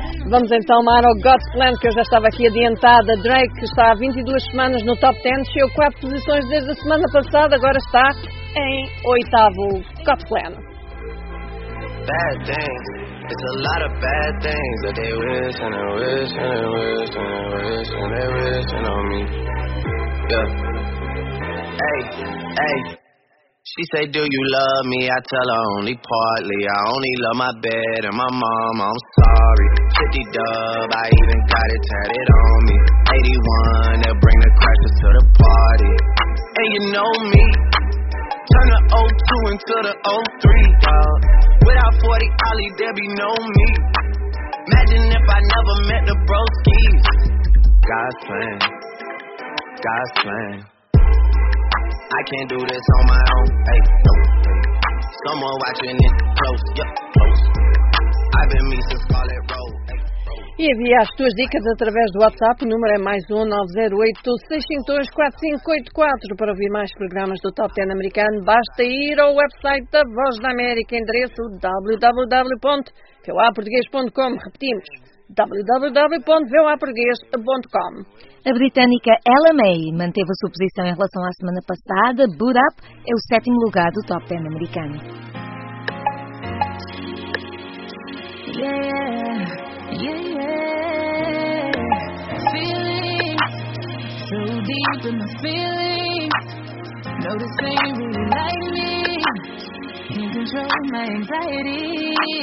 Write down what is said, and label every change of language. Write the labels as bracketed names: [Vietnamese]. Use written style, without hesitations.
[Portuguese] Vamos então, Mara, ao God's Plan, que eu já estava aqui adiantada. Drake, que está há 22 semanas no Top 10, desceu 4 posições desde a semana passada, agora está em 8º. [English] God's Plan. Bad things, it's a lot of bad things that they wish and they wish and they wish and they wish and they wish and on me. Yeah. Hey, hey. She say, do you love me? I tell her only partly. I only love my bed and my mom, I'm sorry. 50 dub, I even got it tatted on me. 81, they'll bring the crashers to the party. And you know me, turn the 02 into the 03, dog. Without 40 Ollie, there be no me. Imagine if I never met the broskies. God's plan, God's plan. I can't do this on my own, ayy, no. Someone watching it close, yep, close. I've been me since Scarlet Road. [Portuguese] E envia as tuas dicas através do WhatsApp, o número é mais 1-908-652-4584. Para ouvir mais programas do Top 10 americano, basta ir ao website da Voz da América, endereço www.voaportugues.com. Repetimos, www.voaportugues.com. A britânica Ella May manteve a sua posição em relação à semana passada. Boot Up é o 7º lugar do Top 10 americano. [English] Yeah, yeah. Yeah, yeah, feelings so deep in my feelings. No, this ain't really like me. Can't control my anxiety.